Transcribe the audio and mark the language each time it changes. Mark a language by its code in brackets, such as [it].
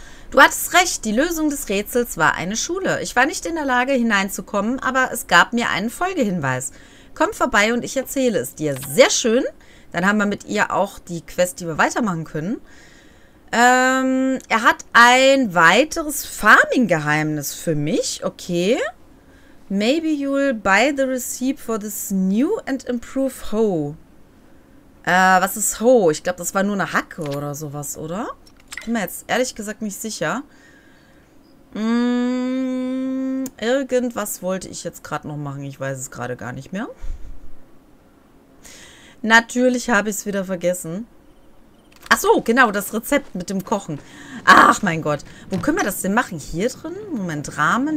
[de] Du hattest recht, die Lösung des Rätsels war eine Schule. Ich war nicht in der Lage, hineinzukommen, aber es gab mir einen Folgehinweis. Komm vorbei und ich erzähle es dir. Sehr schön. Dann haben wir mit ihr auch die Quest, die wir weitermachen können. Er hat ein weiteres Farming-Geheimnis für mich. Okay. [en] Maybe you'll buy the receipt for this new and improved hoe. [de] Was ist hoe? Ich glaube, das war nur eine Hacke oder sowas, oder? Ich bin mir jetzt ehrlich gesagt nicht sicher. Irgendwas wollte ich jetzt gerade noch machen. Ich weiß es gerade gar nicht mehr. Natürlich habe ich es wieder vergessen. Ach so, genau, das Rezept mit dem Kochen. Ach mein Gott. Wo können wir das denn machen? Hier drin? Moment, Rahmen?